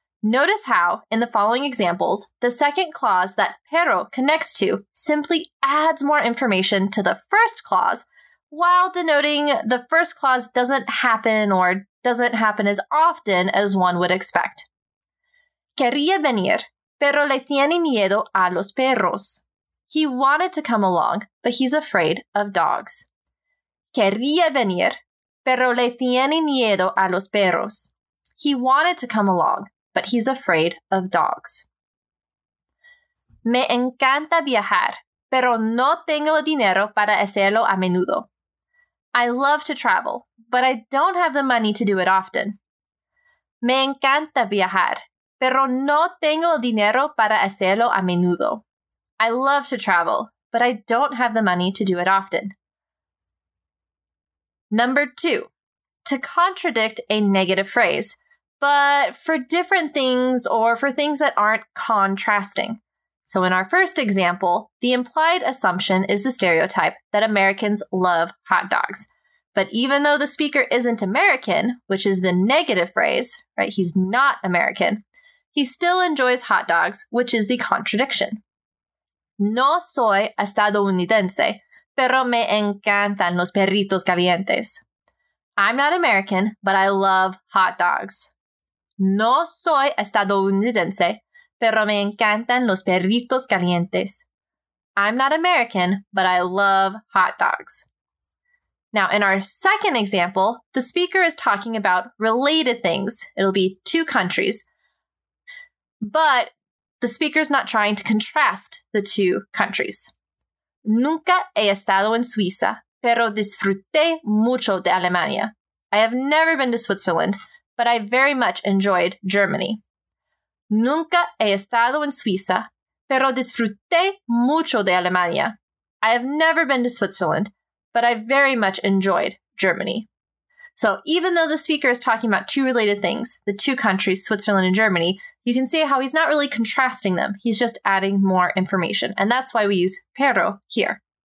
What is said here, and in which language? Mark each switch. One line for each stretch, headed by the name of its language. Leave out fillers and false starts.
English: Notice how, in the following examples, the second clause that pero connects to simply adds more information to the first clause, while denoting the first clause doesn't happen or doesn't happen as often as one would expect.
Spanish: Quería venir, pero le tiene miedo a los perros.
English: He wanted to come along, but he's afraid of dogs.
Spanish: Quería venir, pero le tiene miedo a los perros.
English: He wanted to come along, but he's afraid of dogs.
Spanish: Me encanta viajar, pero no tengo dinero para hacerlo a menudo.
English: I love to travel, but I don't have the money to do it often.
Spanish: Me encanta viajar, pero no tengo dinero para hacerlo a menudo.
English: I love to travel, but I don't have the money to do it often. Number two, to contradict a negative phrase, but for different things or for things that aren't contrasting. So in our first example, the implied assumption is the stereotype that Americans love hot dogs. But even though the speaker isn't American, which is the negative phrase, right, he's not American, he still enjoys hot dogs, which is the contradiction.
Spanish: No soy estadounidense, pero me encantan los perritos calientes.
English: I'm not American, but I love hot dogs.
Spanish: No soy estadounidense, pero me encantan los perritos calientes.
English: I'm not American, but I love hot dogs. Now, in our second example, the speaker is talking about related things. It'll be two countries. But the speaker's not trying to contrast the two countries.
Spanish: Nunca he estado en Suiza, pero disfruté mucho de Alemania.
English: I have never been to Switzerland, but I very much enjoyed Germany.
Spanish: Nunca he estado en Suiza, pero disfruté mucho de Alemania.
English: I have never been to Switzerland, but I very much enjoyed Germany. So even though the speaker is talking about two related things, the two countries, Switzerland and Germany, you can see how he's not really contrasting them. He's just adding more information. And that's why we use pero here.